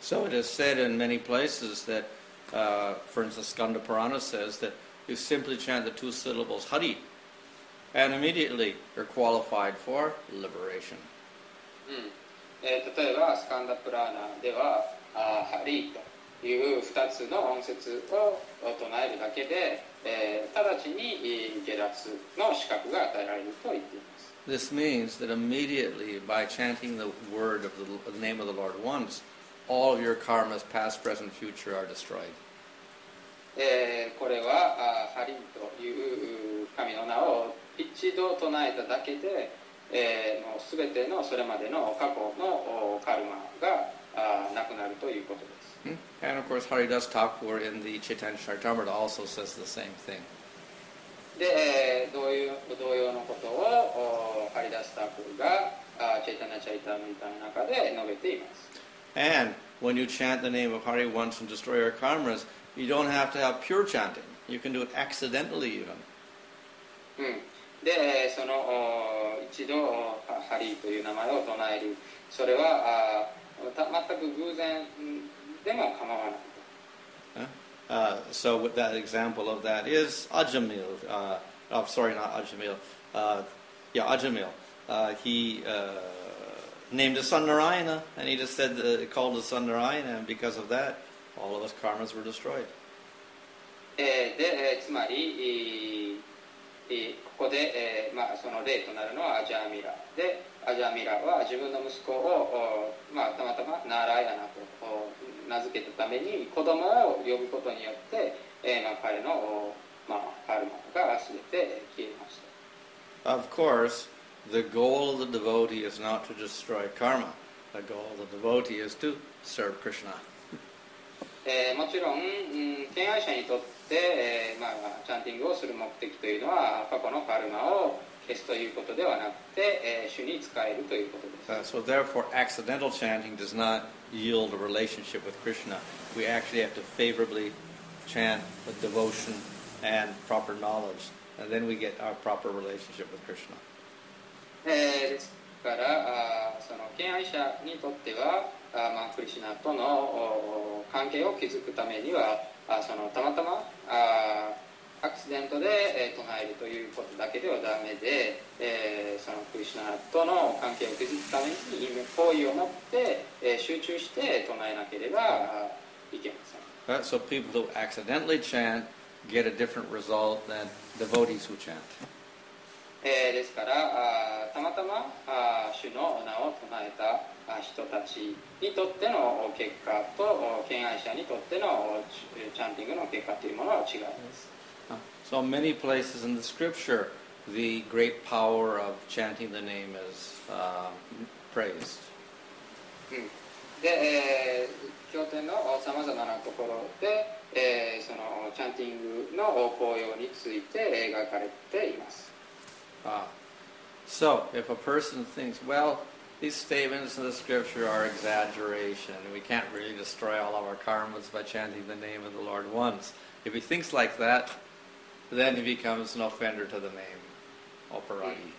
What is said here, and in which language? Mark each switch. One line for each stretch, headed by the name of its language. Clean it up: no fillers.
English: So it is said in many places that, for instance, Skanda Purana says that you simply chant the two syllables Hari, and immediately you're qualified for liberation.
Japanese: 例えばスカンダプラーナではハリという2つの音節を唱えるだけで、直ちに下脱の資格が与えられると言っています。
English: This means that immediately by chanting the word of the name of the Lord once, all of your karmas past, present, future are destroyed.
Japanese: これはハリという神の名を一度唱えただけで、もうすべてのそれまでの過去のカルマがなくなるということです。
English: And of course, Haridas Thakur in the Chaitanya Charitamrita also says the same thing.
Japanese: で、同様のことをHaridas Thakurが Chaitanya Charitamrita の中で述べています。
English: And when you chant the name of Hari once and destroy your karmas, you don't have to have pure chanting. You can do it accidentally even.
Japanese: で、その一度ハリーという名前を唱える、それは全く偶然でも構わない。
English: So with that example of that is Ajamil. Ajamil. He named his son Narayana, and he just said called his son Narayana, and because of that, all of his karmas were destroyed.
Japanese: で、つまり。ここで、その例となるのはアジャーミラで、アジャーミラは自分の息子を、たまたまナーライアナと名付けたために子供を呼ぶことによって、彼の、カルマが全て消えました。
English: Of course, the goal of the devotee is not to destroy karma. The goal of the devotee is to serve Krishna.
Japanese: もちろん、敬愛者にとってで、チャンティングをする目的というのは過去のカルマを消すということではなくて、主に使えるということです。
English: So therefore, accidental chanting does not yield a relationship with Krishna. We actually have to favorably chant with devotion and proper knowledge, and then we get our proper relationship with Krishna.
Japanese: ですから、その敬愛者にとっては、クリシナとの関係を築くためには、そのたまたまアクシデントで、唱えるということだけではダメで、そのクリシュナとの関係を築くために意味行為を持って、集中して唱えなければいけません。
English: Right, so people who accidentally chant get a different result than devotees who chant.
Japanese: ですから、たまたま主の名を唱えた人たちにとっての結果と敬愛者にとってのチャンティングの結果というものは違います。
English: So many places in the scripture, the great power of chanting the name is praised.
Japanese: で、経典のさまざまなところで、そのチャンティングの効用について描かれています。
English: So, if a person thinks, well, these statements in the scripture are exaggeration, we can't really destroy all of our karmas by chanting the name of the Lord once. If he thinks like that, then he becomes an offender to the name, Oparagi.